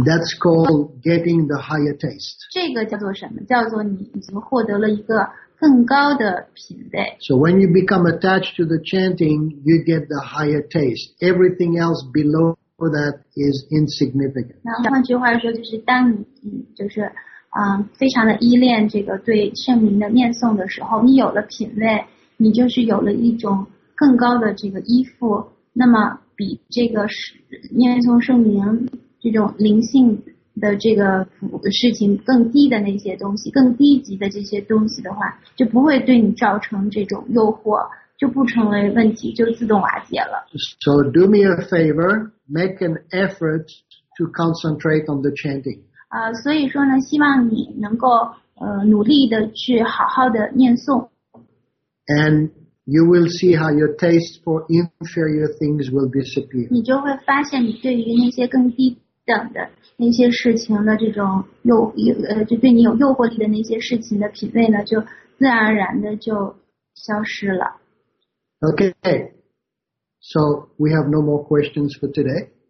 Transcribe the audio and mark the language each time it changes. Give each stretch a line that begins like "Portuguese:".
English: That's called getting the higher taste.
Chinese: 这个叫做什么？叫做你已经获得了一个更高的品味。
English: So when you become attached to the chanting, you get the higher taste. Everything else below. For that is insignificant.
Chinese: 换句话说，就是当你就是非常的依恋这个对圣名的念诵的时候，你有了品味，你就是有了一种更高的这个依附。那么比这个念诵圣名这种灵性的这个事情更低的那些东西，更低级的这些东西的话，就不会对你造成这种诱惑。就不成为问题，就自动瓦解了。
English: So do me a favor, make an effort to concentrate on the chanting.
Chinese: 所以说呢，希望你能够努力的去好好的念诵。
English: And you will see how your taste for inferior things will disappear.
Chinese: 你就会发现，你对于那些更低等的那些事情的这种就对你有诱惑力的那些事情的品味呢，就自然而然的就消失了。
English: Okay, so we have no more questions for today.